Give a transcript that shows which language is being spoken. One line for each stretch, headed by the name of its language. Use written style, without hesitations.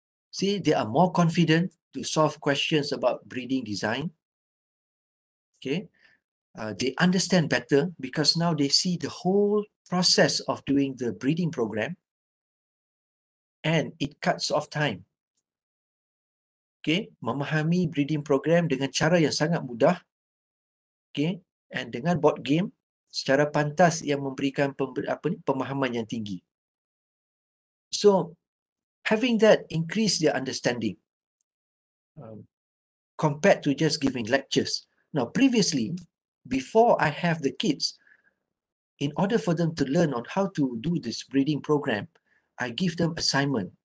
English: See, they are more confident to solve questions about breeding design. Okay. They understand better because now they see the whole process of doing the breeding program and it cuts off time.
Malay: Okay, memahami breeding program dengan cara yang sangat mudah. Okay, and dengan board game secara pantas yang memberikan pemahaman yang tinggi.
English: So, having that increase their understanding compared to just giving lectures. Now, previously, before I have the kids, in order for them to learn on how to do this breeding program, I give them assignment.